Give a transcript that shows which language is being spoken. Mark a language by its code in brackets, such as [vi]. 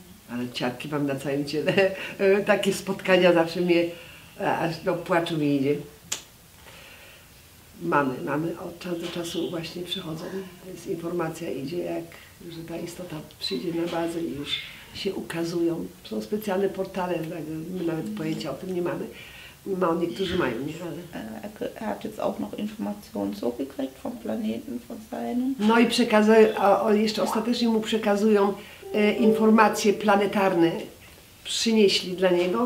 [pl] Ale ciarki mam na całym ciele. Takie spotkania zawsze mnie, aż do płaczu mi idzie. Mamy od czasu do czasu właśnie przychodzą. To jest informacja, idzie, jak że ta istota przyjdzie na bazę i już się ukazują. Są specjalne portale, my nawet pojęcia o tym nie mamy. Mało niektórzy mają, nie? Ale... [de] Er hat jetzt auch noch Informationen so gekriegt vom Planeten, von seinem. [pl] No i przekazują, jeszcze ostatecznie mu przekazują informacje planetarne przynieśli dla niego.